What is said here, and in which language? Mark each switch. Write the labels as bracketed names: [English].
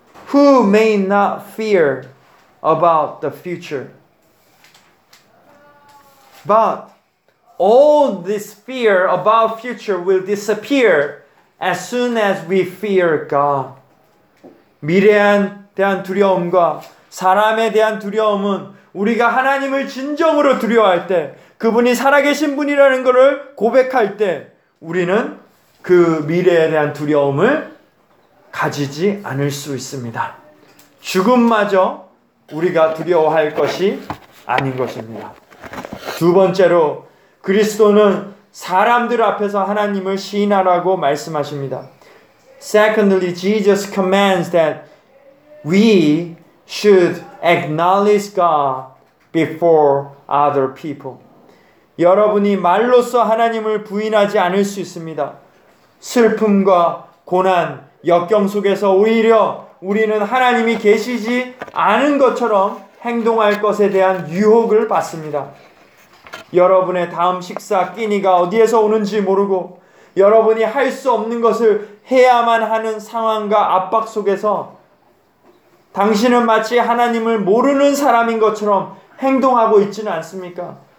[English] Who may not fear about the future? But all this fear about future will disappear as soon as we fear God. [Korean] 미래에 대한 두려움과 사람에 대한 두려움은 우리가 하나님을 진정으로 두려워할 때 그분이 살아계신 분이라는 것을 고백할 때 우리는 그 미래에 대한 두려움을 가지지 않을 수 있습니다. 죽음마저 우리가 두려워할 것이 아닌 것입니다. 두 번째로 그리스도는 사람들 앞에서 하나님을 시인하라고 말씀하십니다. [English] Secondly, Jesus commands that we should acknowledge God before other people. [Korean] 여러분이 말로써 하나님을 부인하지 않을 수 있습니다. 슬픔과 고난, 역경 속에서 오히려 우리는 하나님이 계시지 않은 것처럼 행동할 것에 대한 유혹을 받습니다. 여러분의 다음 식사 끼니가 어디에서 오는지 모르고 여러분이 할 수 없는 것을 해야만 하는 상황과 압박 속에서 당신은 마치 하나님을 모르는 사람인 것처럼 행동하고 있지는 않습니까?